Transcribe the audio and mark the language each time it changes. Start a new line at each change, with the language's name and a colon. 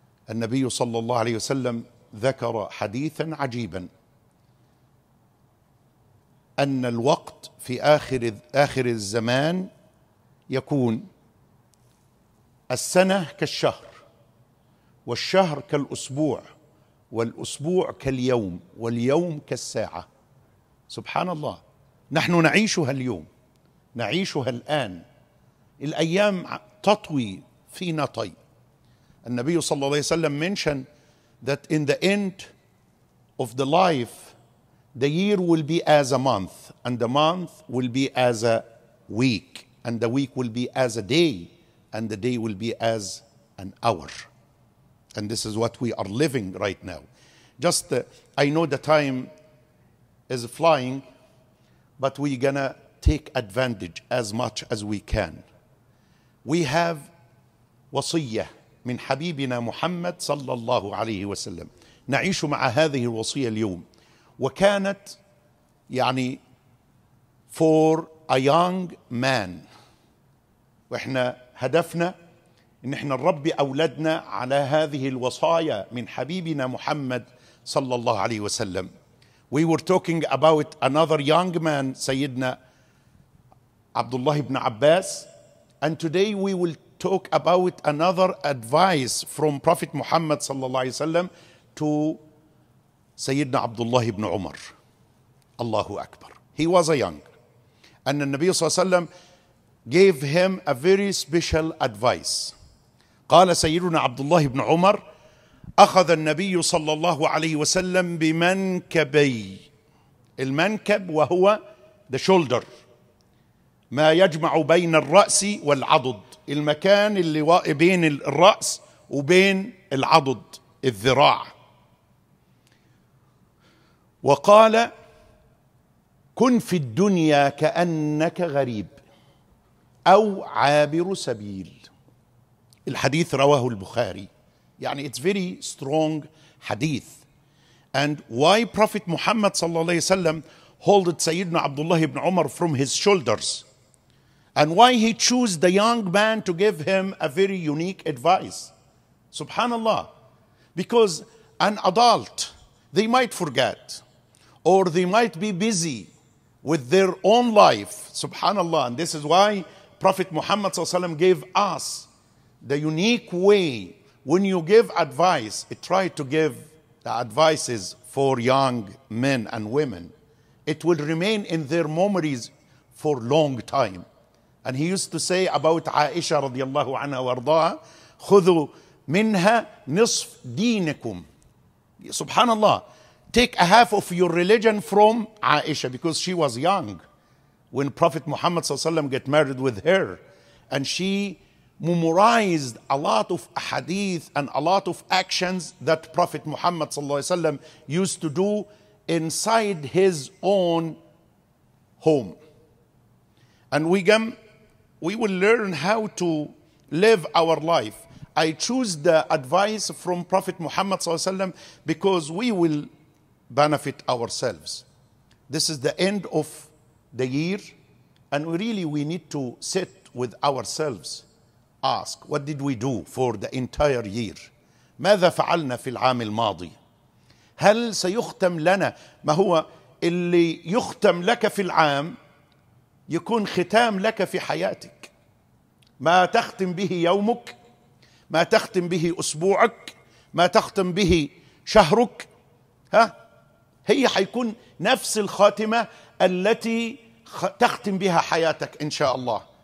Arabic: النبي صلى الله عليه وسلم ذكر حديثا عجيبا، أن الوقت في آخر الزمان يكون السنة كالشهر، والشهر كالأسبوع، والأسبوع كاليوم، واليوم كالساعة. سبحان الله، نحن نعيشها اليوم، نعيشها الآن، الأيام تطوي فينا طي.
English: النبي صلى الله عليه وسلم mentioned that in the end of the life, the year will be as a month, and the month will be as a week, and the week will be as a day, and the day will be as an hour. And this is what we are living right now. Just, I know the time is flying, but we're gonna take advantage as much as we can. We have wasiyya min habibina Muhammad sallallahu alayhi wa sallam.
Arabic: نعيش مع هذه الوصية اليوم. وكانت يعني
English: for a young man.
Arabic: وإحنا هدفنا إن إحنا نربي أولادنا على هذه الوصايا من حبيبنا محمد صلى الله عليه وسلم.
English: We were talking about another young man, سيدنا عبد الله بن عباس. And today we will talk about another advice from Prophet Muhammad صلى الله عليه وسلم to سيدنا عبد الله بن عمر.
Arabic: الله أكبر.
English: He was a young.
Arabic: أن النبي صلى الله عليه وسلم
English: gave him a very special advice.
Arabic: قال سيدنا عبد الله بن عمر: أخذ النبي صلى الله عليه وسلم بمنكبي. المنكب وهو
English: the shoulder،
Arabic: ما يجمع بين الرأس والعضد، المكان اللي بين الرأس وبين العضد الذراع. وقال: كن في الدنيا كأنك غريب أو عابر سبيل. الحديث رواه البخاري، يعني
English: it's very strong
Arabic: حديث.
English: And why Prophet Muhammad صلى الله عليه وسلم holded سيدنا عبد الله بن عمر from his shoulders, and why he chose the young man to give him a very unique advice. Subhanallah. Because an adult, they might forget, or they might be busy with their own life. Subhanallah. And this is why Prophet Muhammad SAW gave us the unique way. When you give advice, try to give the advices for young men and women, it will remain in their memories for long time. And he used to say about Aisha رضي الله عنها وارضاها:
Arabic: خذوا منها نصف دينكم. سبحان الله.
English: Take a half of your religion from Aisha, because she was young when Prophet Muhammad صلى الله عليه وسلم get married with her. And she memorized a lot of hadith and a lot of actions that Prophet Muhammad صلى الله عليه وسلم used to do inside his own home. And we will learn how to live our life. I choose the advice from Prophet Muhammad sallallahu alaihi wasallam because we will benefit ourselves. This is the end of the year, and we need to sit with ourselves, ask, what did we do for the entire year?
Arabic: ماذا فعلنا في العام الماضي؟ هل سيختم لنا ما هو اللي يختم لك في العام يكون ختام لك في حياتك؟ ما تختم به يومك، ما تختم به أسبوعك، ما تختم به شهرك، ها؟ هي حيكون نفس الخاتمة التي تختم بها حياتك إن شاء الله.